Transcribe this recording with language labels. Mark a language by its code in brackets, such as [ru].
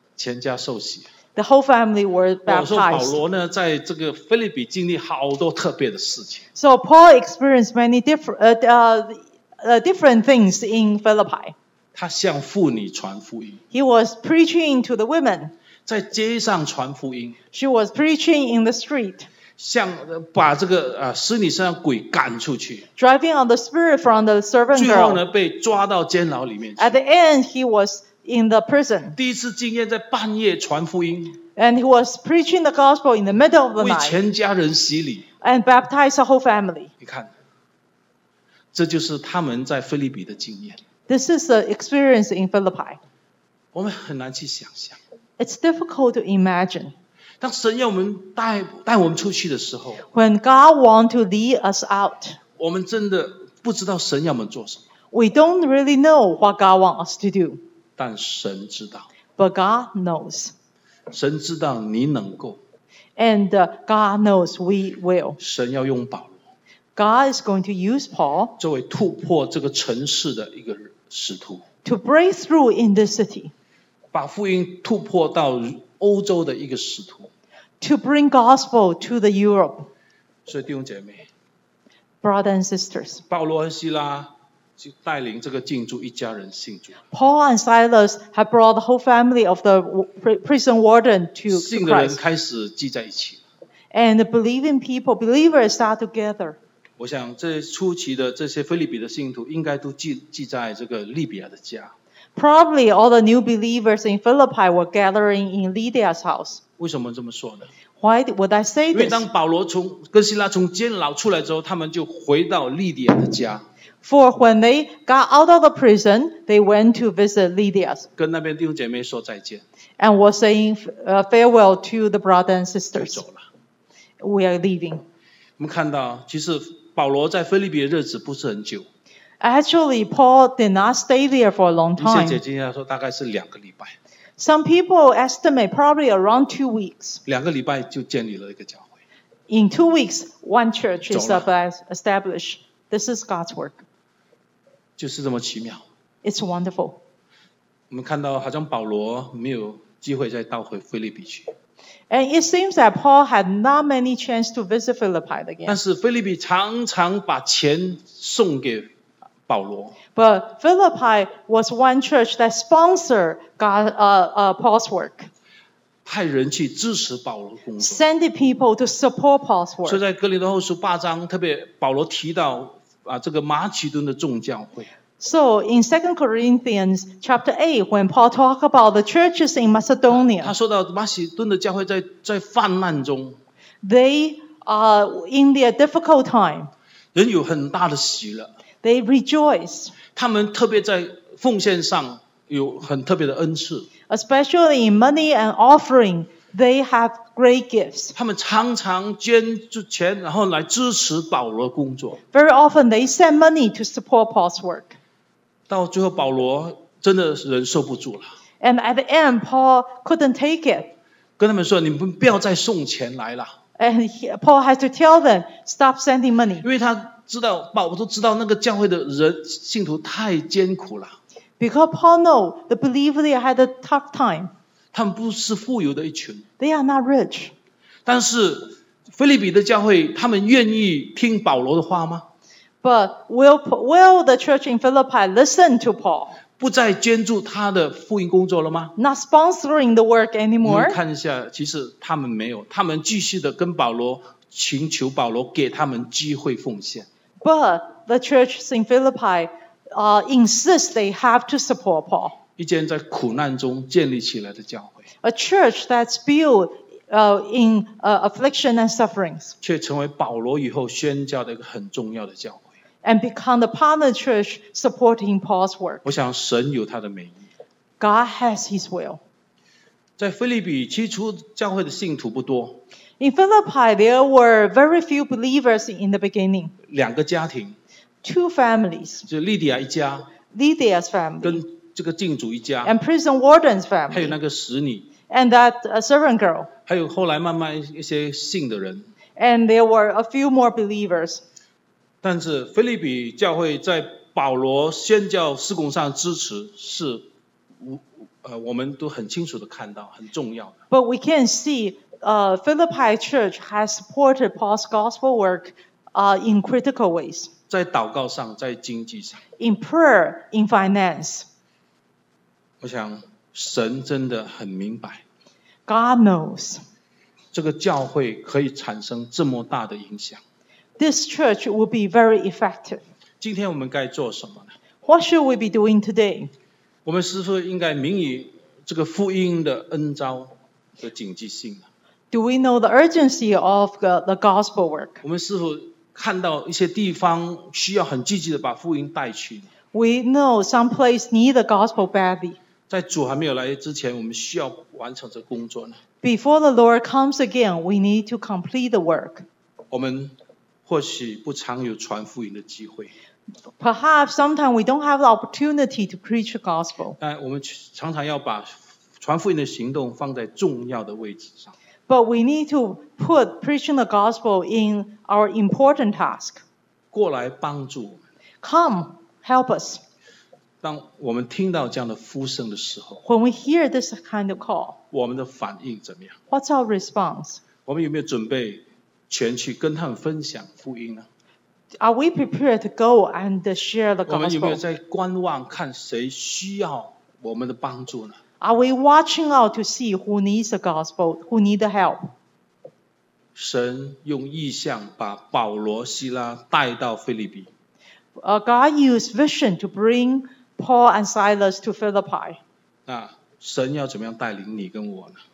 [zh] 全家受洗。 [en] The whole family were baptized. [zh] 我说保罗呢，在这个腓立比经历好多特别的事情。 [en] So Paul experienced many different things in Philippi. [zh] 他向妇女传福音。 [en] He was preaching to the women. [zh] 在街上传福音。 [en] She was preaching in the street. [zh] 像把这个使你身上鬼赶出去 [en] driving on the spirit from the servant girl [zh] 最后呢被抓到监牢里面去 [en] at the end he was in the prison [zh] 第一次经验在半夜传福音 [en] and he was preaching the gospel in the middle of the night [zh] 为全家人洗礼 [en] and baptized the whole family [zh] 你看这就是他们在腓立比的经验 [en] this is the experience in Philippi [zh] 我们很难去想象 [en] it's difficult to imagine [zh] 当神要我们带我们出去的时候 [en] When God wants to lead us out [zh] 我们真的不知道神要我们做什么 [en] We don't really know what God wants us to do [zh] 但神知道 [en] But God knows [zh] 神知道你能够 [en] And God knows we will [zh] 神要用保罗 [en] God is going to use Paul [zh] 作为突破这个城市的一个使徒 [en] To break through in this city [zh] 把福音突破到欧洲的一个使徒 [en] To bring gospel to the Europe [zh] 所以弟兄姐妹 [en] Brothers and sisters [zh] 保罗和希拉就带领这个禁主一家人信主 [en] Paul and Silas have brought the whole family of the prison warden to Christ [zh] 信的人开始聚在一起 [en] And believing people, believers start together [zh] 我想这初期的这些腓立比的信徒应该都 聚在这个利比亚的家 [en] Probably all the new believers in Philippi were gathering in Lydia's house. [zh] 为什么这么说呢? [en] Why would I say this? [zh] 因为当保罗从跟希拉从监牢出来之后，他们就回到利迪亚的家。 [en] For when they got out of the prison, they went to visit Lydia's. [zh] 跟那边弟兄姐妹说再见。 [en] And were saying farewell to the brothers and sisters. [zh] 就走了。 [en] We are leaving. [zh] 我们看到，其实保罗在腓立比的日子不是很久。 [en] Actually, Paul did not stay there for a long time. [zh] 一些解经家说大概是两个礼拜。 [en] Some people estimate probably around 2 weeks. [zh] 两个礼拜就建立了一个教会。 [en] In 2 weeks, one church is established. This is God's work. [zh] 就是这么奇妙。 [en] It's wonderful. [zh] 我们看到好像保罗没有机会再到回腓立比去。 [en] And it seems that Paul had not many chance to visit Philippi again. [zh] 但是腓立比常常把钱送给保罗。 [en] But Philippi was one church that sponsored Paul's work. [zh] 派人去支持保罗的工作。 [en] Sending people to support Paul's work. [zh] 所以在哥林多后书八章，特别保罗提到这个马其顿的众教会。 [en] So in 2 Corinthians chapter 8, when Paul talked about the churches in Macedonia, [zh] 他说到马其顿的教会在泛滥中。 [en] They are in their difficult time. [zh] 人有很大的喜乐。 [en] They rejoice. [zh] 他们特别在奉献上有很特别的恩赐。 [en] Especially in money and offering, they have great gifts. [zh] 他们常常捐钱然后来支持保罗工作。 [en] Very often they send money to support Paul's work. [zh] 到最后保罗真的人受不住了。 [en] And at the end, Paul couldn't take it. [zh] 跟他们说你们不要再送钱来了。 [en] And Paul has to tell them, stop sending money. [zh] 因为他知道保罗都知道那个教会的人信徒太艰苦了。 [en] Because Paul know the believers they had a tough time. [zh] 他们不是富有的一群。 [en] They are not rich. [zh] 但是腓立比的教会他们愿意听保罗的话吗？ [en] But will the church in Philippi listen to Paul? [zh] 不再捐助他的福音工作了吗？ [en] Not sponsoring the work anymore. [zh] 你看一下，其实他们没有，他们继续的跟保罗请求保罗给他们机会奉献。 [en] But the church in Philippi insists they have to support Paul. [zh] 一间在苦难中建立起来的教会。 [en] A church that's built in affliction and sufferings. [zh] 却成为保罗以后宣教的一个很重要的教会。 [en] And become the partner church supporting Paul's work. [zh] 我想神有他的美意。 [en] God has his will. [zh] 在腓立比起初教会的信徒不多。 [en] In Philippi, there were very few believers in the beginning. [zh] 两个家庭。 [en] Two families. [zh] 就利迪亚一家。 [en] Lydia's family. [zh] 跟这个禁主一家。 [en] And prison warden's family. [zh] 还有那个使女。 [en] And that servant girl. [zh] 还有后来慢慢一些信的人。 [en] And there were a few more believers. [zh] 但是腓立比教会在保罗宣教事工上支持是我们都很清楚的看到很重要的。 [en] But we can see Philippi church has supported Paul's gospel work in critical ways. [zh] 在祷告上在经济上。 [en] In prayer, in finance. [zh] 我想神真的很明白。 [en] God knows. [zh] 这个教会可以产生这么大的影响。 [en] This church will be very effective. [zh] 今天我们该做什么呢？ [en] What should we be doing today? [zh] 我们是否应该明以这个福音的恩召的紧急性呢？ [en] Do we know the urgency of the gospel work? [zh] 我们是否看到一些地方需要很积极的把福音带去呢？ [en] We know some place need the gospel badly. [zh] 在主还没有来之前，我们需要完成这工作呢？ [en] Before the Lord comes again, we need to complete the work. [zh] 我们或许不常有传福音的机会。 [en] Perhaps sometimes we don't have the opportunity to preach the gospel. [zh] 但我们常常要把传福音的行动放在重要的位置上。 [en] But we need to put preaching the gospel in our important task. [zh] 过来帮助我们。 [en] Come, help us. [zh] 当我们听到这样的呼声的时候。 [en] When we hear this kind of call. [zh] 我们的反应怎么样？ [en] What's our response? [zh] 我们有没有准备全去跟他们分享福音呢？ [en] Are we prepared to go and share the gospel? [zh] 我们有没有在观望看谁需要我们的帮助呢？ [en] Are we watching out to see who needs the gospel, who needs the help? [zh] 神用异象把保罗、希拉带到腓立比。 [en] God used vision to bring Paul and Silas to Philippi. [zh] 那神要怎么样带领你跟我呢？